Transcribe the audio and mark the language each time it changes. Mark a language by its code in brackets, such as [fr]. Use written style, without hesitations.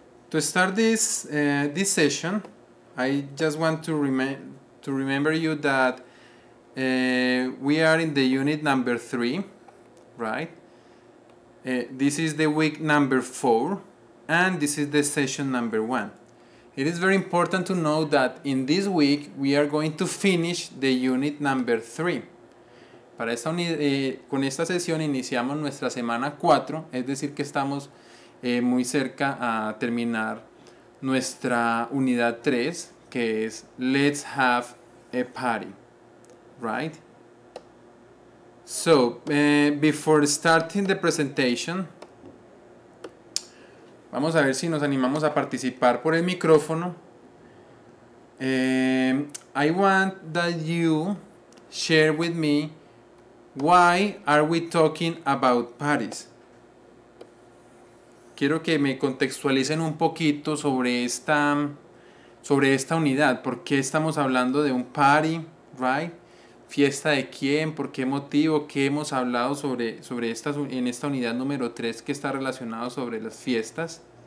[en] To start this session, I just want to remember you that we are in the unit number 3, right? This is the week number 4, and this is the session number 1. It is very important to know that in this week we are going to finish the unit number 3. [es] Para esta con esta sesión iniciamos nuestra semana 4, es decir que estamos muy cerca a terminar nuestra unidad 3, que es Let's Have a Party. [en] Right. So before starting the presentation, [es] vamos a ver si nos animamos a participar por el micrófono. [en] I want that you share with me why are we talking about parties. [es] Quiero que me contextualicen un poquito sobre esta unidad. ¿Por qué estamos hablando de un party? Right. ¿Fiesta de quién? ¿Por qué motivo? ¿Qué hemos hablado sobre esta unidad número 3 que está relacionado sobre las fiestas?